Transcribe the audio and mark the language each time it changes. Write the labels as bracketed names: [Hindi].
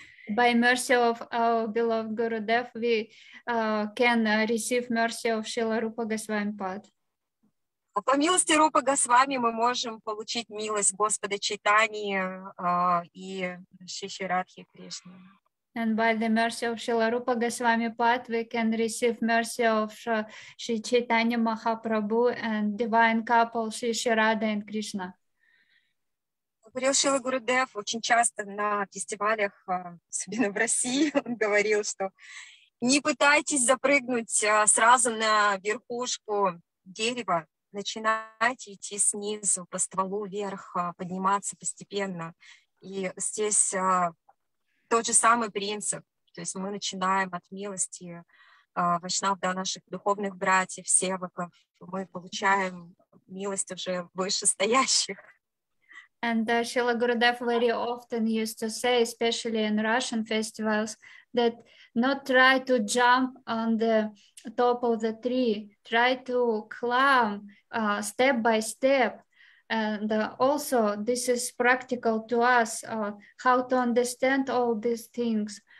[English] By mercy of our beloved Gurudev, we can receive mercy of Srila Rupa Goswami Pad. [Russian] По милости Рупы Госвами мы можем получить милость Господа Чайтаньи и Шри Радхи Кришны. [English] And by the mercy of Srila Rupa Goswami Pad, we can receive mercy of Shri Chaitanya Mahaprabhu and divine couple Shri Radha and Krishna. [Russian] Говорил Шрила Гурудев очень часто на фестивалях, особенно в России, он говорил, что не пытайтесь запрыгнуть сразу на верхушку дерева, начинайте идти снизу, по стволу вверх, подниматься постепенно. И здесь тот же самый принцип, то есть мы начинаем от милости вайшнав, да, наших духовных братьев, севаков, мы получаем милость уже вышестоящих. [English] And Srila Gurudev very often used to say, especially in Russian festivals, that not try to jump on the top of the tree, try to climb step by step. And also, this is practical to us, how to understand all these things.